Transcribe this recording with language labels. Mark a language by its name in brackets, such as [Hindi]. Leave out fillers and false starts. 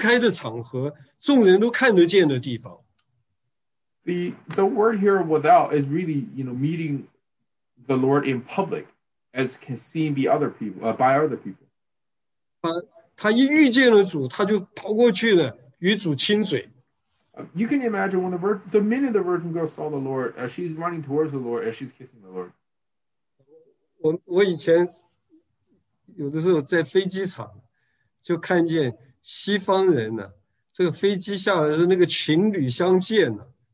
[Chinese] 这个女子现在她说我在外面遇见你，那表示说就是在一个公开的场合，众人都看得见的地方。 [English] The word here without is really, you know, meeting the Lord in public as can seen by other people. [Chinese] 他一遇见了主，他就跑过去了，与主亲嘴。 [English] You can imagine when the minute the virgin girl saw the Lord, she's running towards the Lord and she's kissing the Lord. [Chinese] 我以前有的时候在飞机场就看见西方人呢，这个飞机下来的时候，那个情侣相见呢。